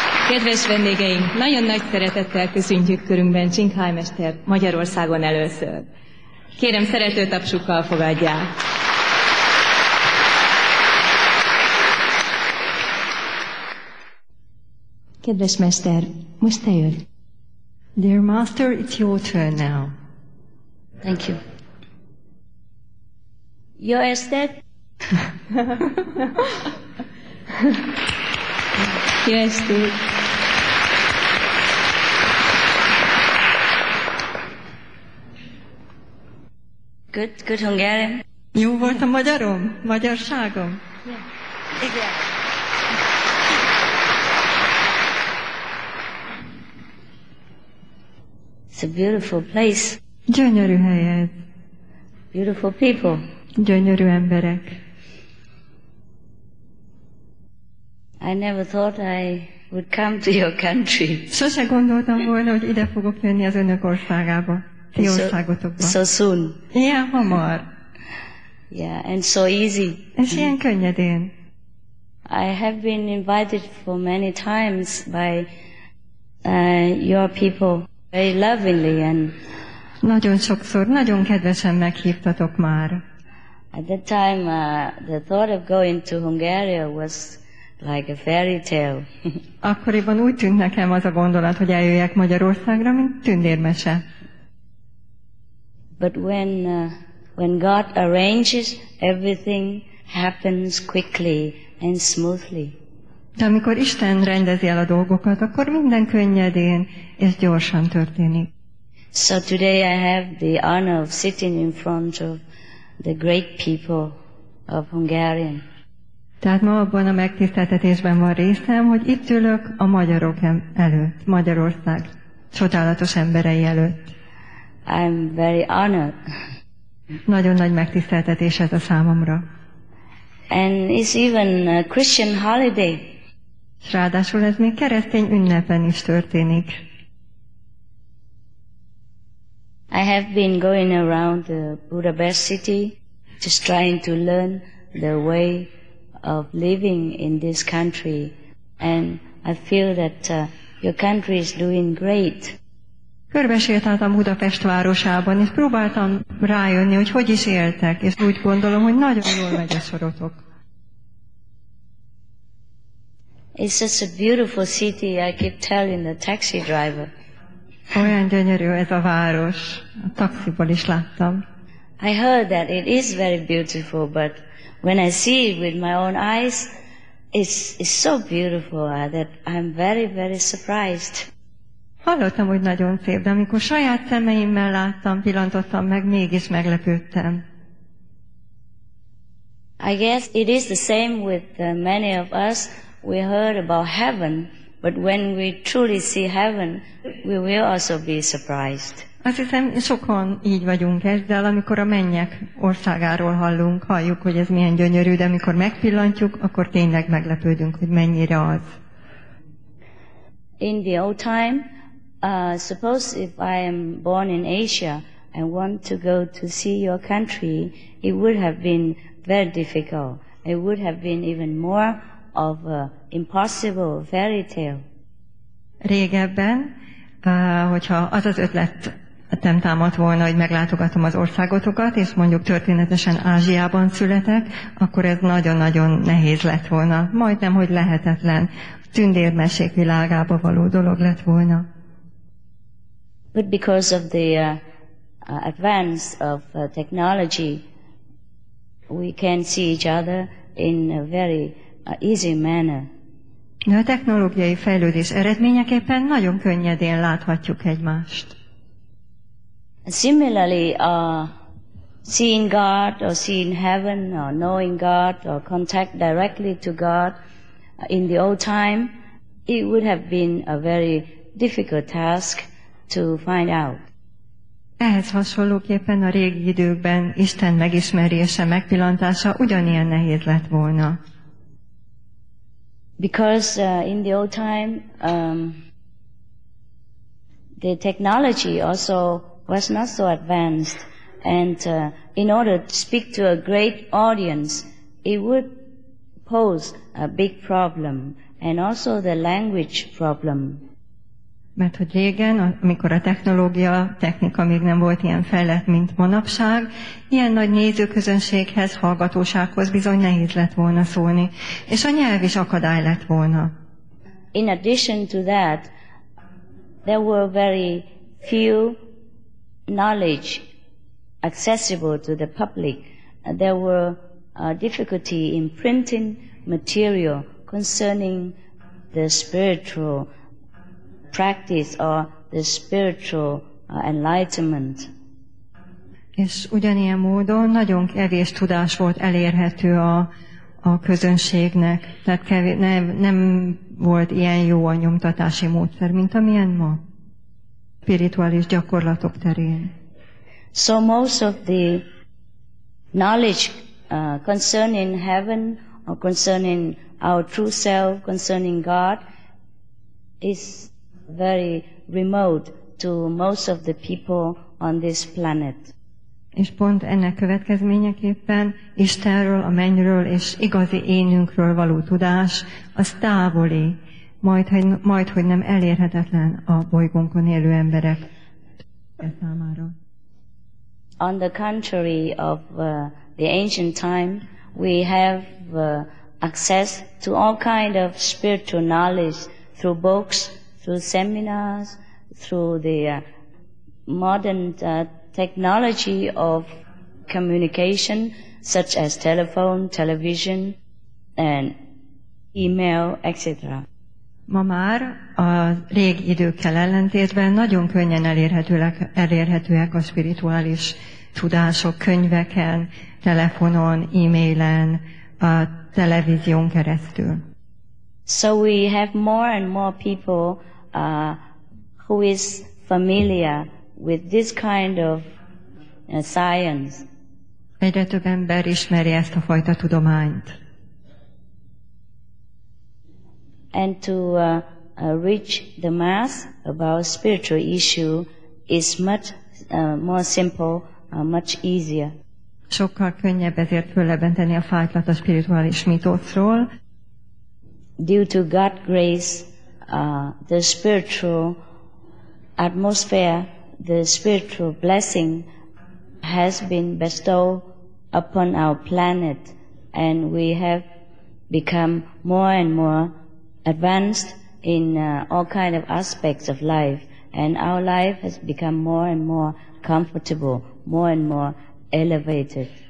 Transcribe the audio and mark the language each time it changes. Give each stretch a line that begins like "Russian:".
Hungarian: Kedves vendégeink, nagyon nagy szeretettel köszöntjük körünkben Csinkháj mestert Magyarországon először. Kérem, szerető tapsukkal fogadják. Kedves mester, most te jöjj.
English: Dear master, it's your turn now. Thank you.
Hungarian: Jó estét. Jó estét.
English: Good Hungarian.
Hungarian: Jó volt a magyarom? Magyarságom? Igen.
English: It's a beautiful place.
Hungarian: Gyönyörű helyed.
English: Beautiful people.
Hungarian: Gyönyörű emberek.
English: I never thought I would come to your country.
Hungarian: Sose gondoltam volna, hogy ide fogok jönni az önök országába.
English: So soon.
Hungarian: Yeah, hamar.
English: Yeah, and so easy.
Hungarian: És ilyen könnyedén.
English: I have been invited for many times by your people very lovingly and
Hungarian: Nagyon sokszor, nagyon kedvesen meghívtatok már.
English: At that time, the thought of going to Hungary was like a fairy tale.
Hungarian: Akkoriban úgy tűnt nekem az a gondolat, hogy eljöjjek Magyarországra, mint tündérmese.
English: But when God arranges, everything happens quickly and smoothly.
Hungarian: De amikor Isten rendezi el a dolgokat, akkor minden könnyedén és gyorsan történik.
English: So today I have the honor of sitting in front of the great people of Hungary.
Hungarian: Tehát ma abban a megtiszteltetésben van részem, hogy itt ülök a magyarok előtt, Magyarország csodálatos emberei előtt.
English: I'm very honored.
Hungarian: Nagyon nagy megtiszteltetés ez a számomra.
English: And it's even a Christian holiday.
Hungarian: S ráadásul ez még keresztény ünnepen is történik.
English: I have been going around the Budapest city, just trying to learn the way of living in this country, and I feel that your country is doing great.
Hungarian: Körbesétáltam Budapest városában, és próbáltam rájönni, hogy hogy is éltek, és úgy gondolom, hogy nagyon jól megy a sorotok.
English: It's such a beautiful city, I keep telling the taxi driver.
Hungarian: Olyan gyönyörű ez a város, a taxiból is láttam.
English: I heard that it is very beautiful, but when I see it with my own eyes, it's so beautiful that I'm very, very surprised.
Hungarian: Hallottam, hogy nagyon szép, de amikor saját szemeimmel láttam, pillantottam meg, mégis meglepődtem.
English: I guess it is the same with many of us. We heard about heaven, but when we truly see heaven, we will also be surprised.
Hungarian: Azt hiszem, sokan így vagyunk ezzel, amikor a mennyek országáról hallunk, halljuk, hogy ez milyen gyönyörű, de amikor megpillantjuk, akkor tényleg meglepődünk, hogy mennyire az.
English: In the old time, suppose if I am born in Asia and want to go to see your country, it would have been very difficult. It would have been even more of an impossible fairy tale.
Hungarian: Régebben, hogyha az az ötlet nem támadt volna, hogy meglátogatom az országotokat, és mondjuk történetesen Ázsiában születek, akkor ez nagyon-nagyon nehéz lett volna. Majdnem, hogy lehetetlen. Tündérmesék világába való dolog lett volna.
English: But because of the advance of technology, we can see each other in a very easy manner.
Hungarian: De a technológiai fejlődés eredményeképpen nagyon könnyedén láthatjuk egymást.
English: Similarly, seeing God or seeing heaven or knowing God or contact directly to God in the old time, it would have been a very difficult task to find out.
Hungarian: Ehhez hasonlóképpen a régi időkben Isten megismerése, megpillantása ugyanilyen nehéz lett volna.
English: Because in the old time, the technology also was not so advanced, and in order to speak to a great audience, it would pose a big problem, and also the language problem.
Hungarian: Mert hogy régen, amikor a technológia, technika még nem volt ilyen fejlett, mint manapság, ilyen nagy nézőközönséghez, hallgatósághoz bizony nehéz lett volna szólni, és a nyelv is akadály lett volna.
English: In addition to that, there were very few knowledge accessible to the public. There were difficulty in printing material concerning the spiritual practice or the spiritual enlightenment.
Hungarian: És ugyanilyen módon nagyon kevés tudás volt elérhető a közönségnek, tehát nem volt ilyen jó a nyomtatási módszer, mint amilyen ma spirituális gyakorlatok terén.
English: So most of the knowledge concerning heaven or concerning our true self, concerning God, is very remote to most of the people on this planet.
Hungarian: És pont ennek következményeképpen Istenről, a mennyről és igazi énünkről való tudás az távoli, majdhogy nem elérhetetlen a bolygónkon élő emberek számára.
English: On the contrary of the ancient time, we have access to all kind of spiritual knowledge through books, through seminars, through the modern technology of communication, such as telephone, television, and email, etc.
Hungarian: Ma már a régi időkkel ellentétben nagyon könnyen elérhetőek a spirituális tudások könyveken, telefonon, e-mailen, a televízión keresztül.
English: So we have more and more people who is familiar with this kind of science.
Hungarian: Egyre több ember ismeri ezt a fajta tudományt.
English: And to reach the mass about spiritual issue is much more simple, much easier.
Hungarian: Sokkal könnyebb ezért föllebenteni a fájtlat a spirituális mítoszról.
English: Due to God's grace, the spiritual atmosphere, the spiritual blessing has been bestowed upon our planet, and we have become more and more advanced in all kind of aspects of life, and our life has become more and more comfortable, more and more elevated.